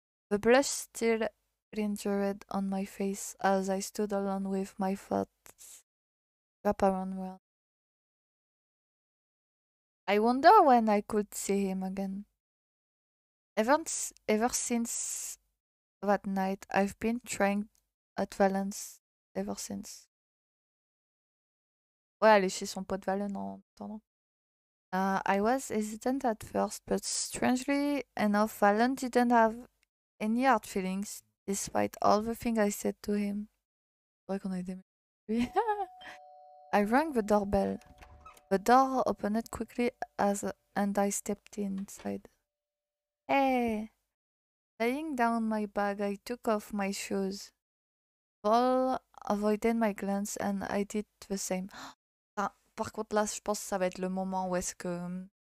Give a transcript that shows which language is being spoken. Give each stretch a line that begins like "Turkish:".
English: The blush still lingered on my face as I stood alone with my thoughts wrapped around me. I wonder when I could see him again. Ever since that night, I've been trying at Valence. Ever since.
French: Ouais, aller chez son pote Valen en attendant.
English: I was hesitant at first, but strangely enough, Valen didn't have any hard feelings, despite all the things I said to him.
French: Ouais, qu'on a été...
English: I rang the doorbell. The door opened quickly and I stepped inside. Hey! Laying down my bag, I took off my shoes. Paul avoided my glance and I did the same.
French: Ah, par contre, là, je pense que ça va être le moment où est-ce que...